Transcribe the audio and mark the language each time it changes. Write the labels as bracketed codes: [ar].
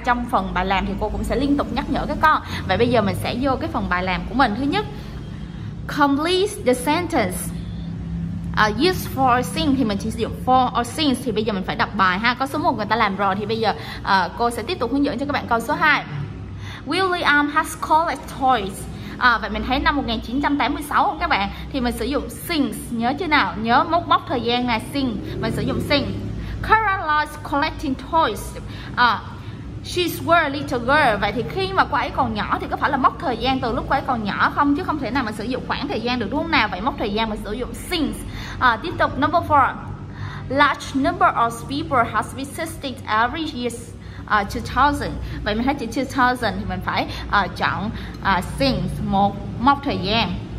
[vi] Trong phần bài làm thì cô cũng sẽ liên tục nhắc nhở các con. Vậy bây giờ mình sẽ vô cái phần bài làm của mình. Thứ nhất, [en] complete the sentence use for or since, [vi] thì mình chỉ sử dụng [en] for or since. [vi] Thì bây giờ mình phải đọc bài ha. Có số 1 người ta làm rồi, thì bây giờ cô sẽ tiếp tục hướng dẫn cho các bạn câu số 2. [en] William has collected toys. [vi] Vậy mình thấy năm 1986 không các bạn? Thì mình sử dụng since, nhớ chưa nào? Nhớ mốc mốc thời gian là since, mình sử dụng since. [en] Carol loves collecting toys. She's a little girl. [vi] Vậy thì khi mà cô ấy còn nhỏ thì có phải là mốc thời gian từ lúc cô ấy còn nhỏ không? Chứ không thể nào mà sử dụng khoảng thời gian được, đúng không nào? Vậy mốc thời gian mình sử dụng since. Tiếp tục, [en] number 4. Large number of people has visited every year. 2000. [vi] Vậy mình thấy chữ 2000 thì mình phải chọn since, một mốc thời gian.